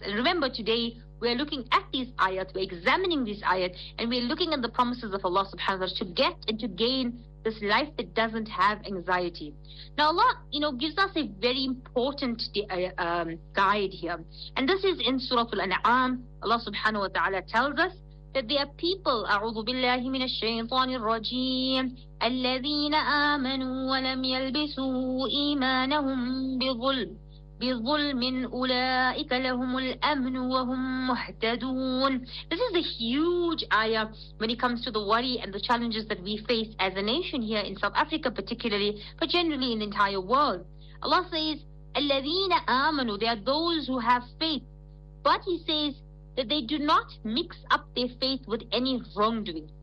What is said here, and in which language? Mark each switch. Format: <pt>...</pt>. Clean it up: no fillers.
<en>And remember, today we are looking at these ayahs, we're examining these ayahs, and we're looking at the promises of Allah subhanahu wa ta'ala to get and to gain this life that doesn't have anxiety. Now Allah, you know, gives us a very important guide here. And this is in Surah Al-An'am. Allah subhanahu wa ta'ala tells us that there are people,</en> <ar>أعوذ بالله من الشيطان الرجيم, الذين آمنوا ولم يلبسوا إيمانهم بظلم أولئك لهم الأمن وهم مهتدون.</ar> <en>This is a huge ayah when it comes to the worry and the challenges that we face as a nation here in South Africa particularly, but generally in the entire world. Allah says,</en> <ar>الذين آمنوا,</ar> <en>they are those who have faith. But He says that they do not mix up their faith with any wrongdoing.</en>